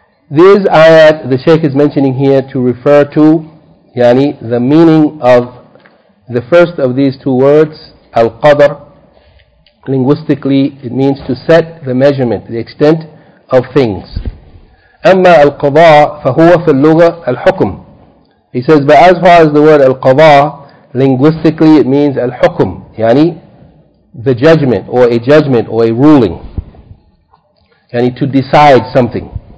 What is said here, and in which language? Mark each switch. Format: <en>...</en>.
<en>This ayat the Shaykh is mentioning here to refer to yani the meaning of the first of these two words, al-qadr. Linguistically, it means to set the measurement, the extent of things.</en> <ar>أما القضاء فهو في اللغة الحكم.</ar> <en>He says, but as far as the word القضاء, linguistically it means الحكم, يعني the judgment or a judgment or a ruling, يعني to decide something.</en>